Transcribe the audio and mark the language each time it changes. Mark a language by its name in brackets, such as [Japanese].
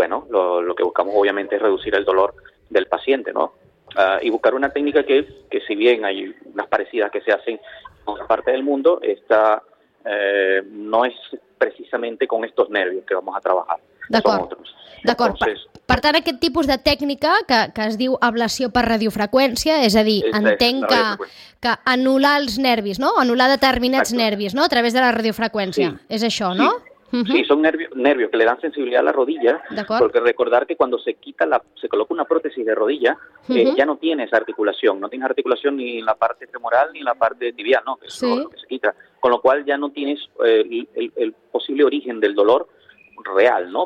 [Spanish] Lo que buscamos obviamente es reducir el dolor del paciente, ¿no? Y buscar una técnica que si bien hay unas parecidas que se hacen en otra parte del mundo, esta no es precisamente con estos nervios que vamos a trabajar. [Catalan] D'acord. [Spanish] Son otros. [Catalan] D'acord. Entonces, per tant, aquest tipus de tècnica que es diu ablació per radiofreqüència, és a dir, entenc que anul·lar els nervis, no? Anul·lar determinats nervis, no? A través de la radiofreqüència. Sí. És això, no? Sí. [Spanish] Uh-huh. Sí, son nervios que le dan sensibilidad a la rodilla. [Catalan] D'acord. [Spanish] Porque recordar que cuando se coloca una prótesis de rodilla, uh-huh, ya no tiene esa articulación, no tiene articulación ni en la parte femoral ni en la parte tibial, ¿no? Que es, sí, lo que se quita. Con lo cual ya no tienes el posible origen del dolor real, ¿no?